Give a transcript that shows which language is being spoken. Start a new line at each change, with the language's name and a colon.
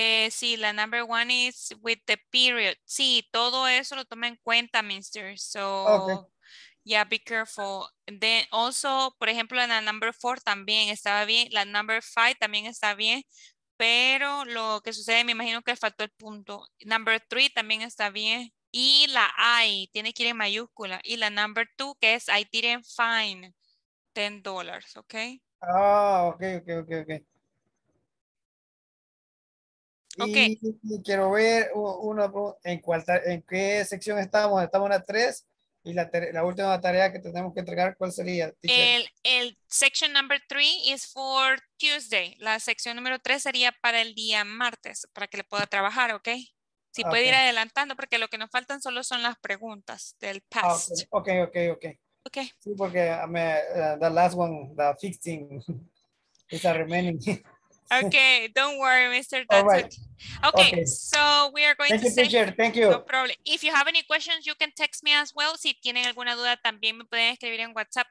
Spanish: Sí, la
English: number one is with the period.
Spanish: Sí, todo eso lo toma en cuenta, mister.
English: So, okay. Yeah, be careful. Then also,
Spanish: por ejemplo, en la number four también estaba bien. La number five también está bien. Pero lo que sucede, me imagino que faltó el punto. Number three también está bien. Y la I, tiene que ir en mayúscula. Y la number two, que es
English: I didn't find $10,
Spanish: ¿ok?
English: Ok. Ok.
Spanish: Y quiero ver en qué sección estamos. Estamos en la 3 y la última tarea que tenemos que entregar, ¿cuál sería?
English: El section number 3 is for Tuesday.
Spanish: La sección número 3 sería para el día martes, para que le pueda trabajar, ¿ok? Si puede ir adelantando, porque lo que nos faltan solo son las preguntas del past.
English: Ok.
Spanish: Sí, porque
English: the last one, the 15, is a remaining. Okay, don't worry, mister. That's all right. Okay, so we are going to say. Thank you. No problem. If you have any questions, you can text me as well.
Spanish: Si tienen alguna duda, también me pueden escribir en WhatsApp.